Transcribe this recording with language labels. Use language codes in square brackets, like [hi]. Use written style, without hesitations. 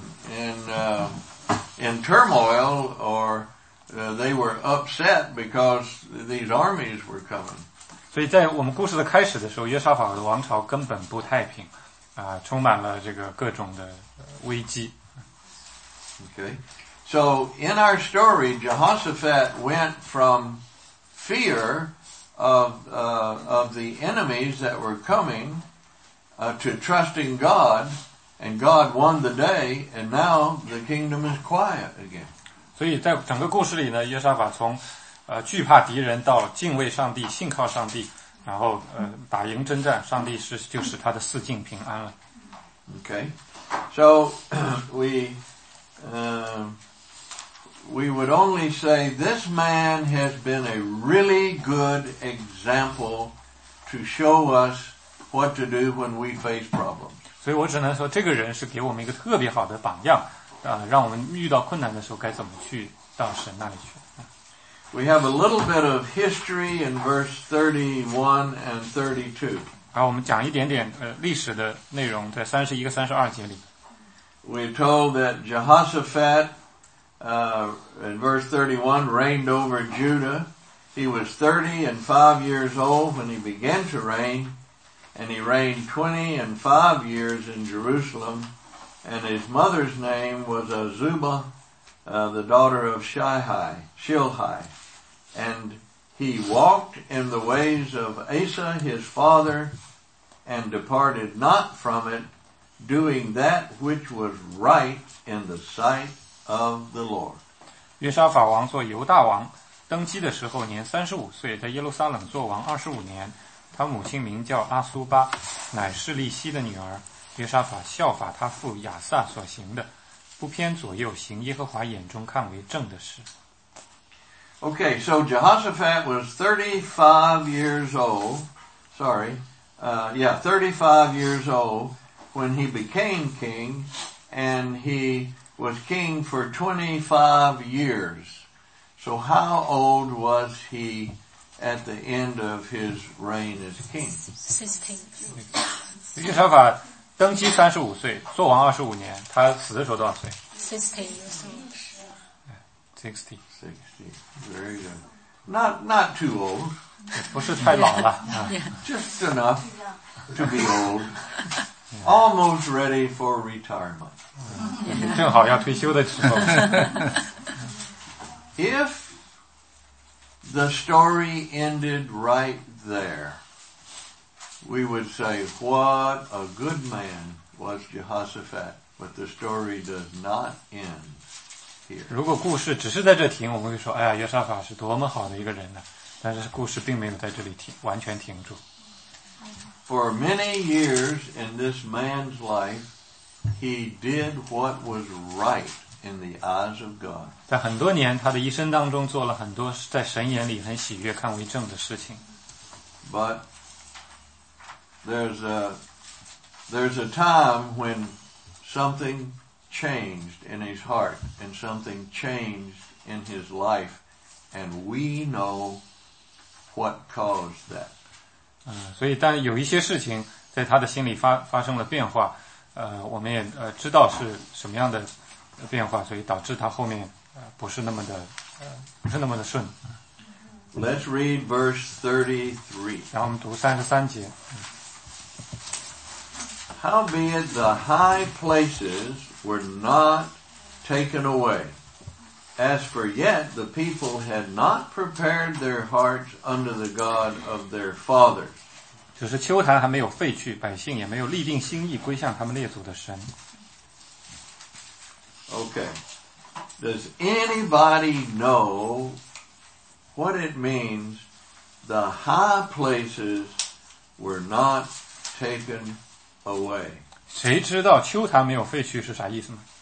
[en] It was in turmoil, or they were upset because these armies were coming. [zh] 所以在我们故事的开始的时候，约沙法的王朝根本不太平，充满了这个各种的危机。 [en] Okay, so in our story, Jehoshaphat went from fear of the enemies that were coming, to trusting God, and God won the day, and now the kingdom is quiet again. [zh] 所以在整个故事里呢，约沙法从惧怕敌人到敬畏上帝，信靠上帝，然后打赢征战，上帝是就使他的四境平安了。 [en] Okay, so we would only say this man has been a really good example to show us what to do when we face problems. [zh] 所以我只能说这个人是给我们一个特别好的榜样，让我们遇到困难的时候该怎么去到神那里去。 [en] We have a little bit of history in verse 31 and 32. [zh] 好，我们讲一点点历史的内容，在31和32节里。 [en] We're told that Jehoshaphat, in verse 31, reigned over Judah. He was 30 and 5 years old when he began to reign, and he reigned 20 and 5 years in Jerusalem, and his mother's name was Azubah, the daughter of Shilhai. And he walked in the ways of Asa, his father, and departed not from it, doing that which was right in the sight of the Lord. [zh] 约沙法王做犹大王，登基的时候年35岁，在耶路撒冷做王25年。他母亲名叫阿苏巴，乃是利希的女儿。约沙法效法他父亚撒所行的，不偏左右，行耶和华眼中看为正的事。 [en] Okay, so Jehoshaphat was 35 years old. Sorry, 35 years old when he became king, and he was king for 25 years. So how old was he at the end of his reign as king? [zh] 16. 约沙法登基35岁，做王25年，他死的时候多少岁？ [en] 16 years old. 60, very good. Not too old. [zh] 不是太老了。 [en] Just enough to be old. Almost ready for retirement. [zh] 正好要退休的时候。 [en] If the story ended right there, we would say, what a good man was Jehoshaphat. But the story does not end. [zh] 如果故事只是在这停，我们会说：“哎呀，约沙法是多么好的一个人呢！” 但是故事并没有在这里停，完全停住。 [en] For many years in this man's life, he did what was right in the eyes of God. [zh] 在很多年，他的一生当中做了很多在神眼里很喜悦、看为正的事情。 [en] But there's a time when something changed in his heart, and something changed in his life, and we know what caused that. [zh] 所以但有一些事情在他的心里发生了变化，我们也知道是什么样的变化，所以导致他后面不是那么的顺。 [en] Let's read verse 33. [zh] 然后我们读33节。 [en] Howbeit the high places were not taken away. As for yet, the people had not prepared their hearts under the God of their fathers. [zh] 就是丘坛还没有废去，百姓也没有立定心意归向他们列祖的神。 [en] Okay. Does anybody know what it means the high places were not taken away? [zh] 谁知道秋坛没有废墟是啥意思吗？